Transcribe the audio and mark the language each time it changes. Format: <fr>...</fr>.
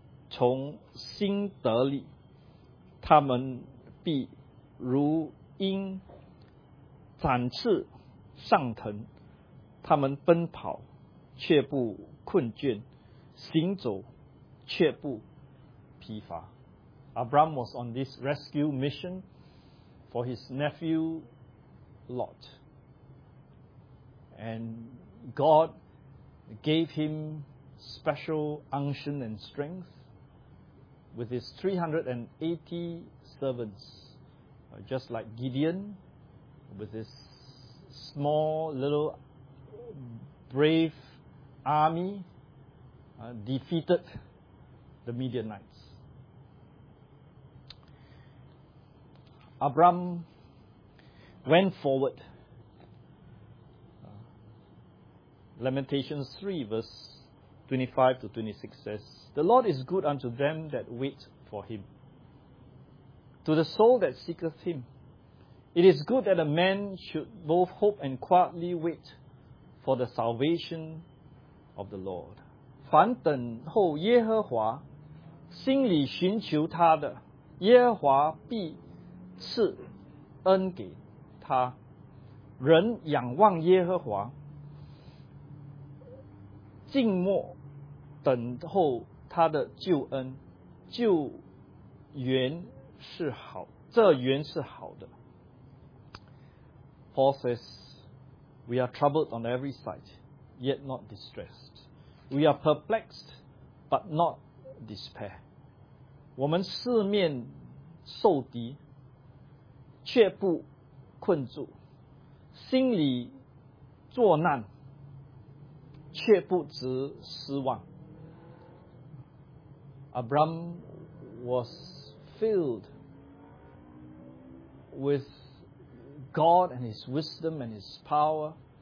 <zh>从心得里，他们必如鹰展翅上腾，他们奔跑却不困倦，行走却不疲乏。</zh> <en>Abram was on this rescue mission for his nephew Lot, and God gave him special unction and strength with his 380 servants, just like Gideon with his small little brave army defeated the Midianites. Abram went forward. Lamentations 3 verse 25 to 26 says, "The Lord is good unto them that wait for him, to the soul that seeketh him. It is good that a man should both hope and quietly wait for the salvation of the Lord.</en> <zh>凡等候耶和华，心里寻求他的，耶和华必赐恩给他。人仰望耶和华，静默等候他的救恩，救援是好，这援是好的。</zh> <en>Paul says, "We are troubled on every side, yet not distressed. We are perplexed, but not despair."</en> <zh>我们四面受敌，却不困住，心里作难，却不知失望。</zh> <en>Abram was filled with God and his wisdom and his power.</en>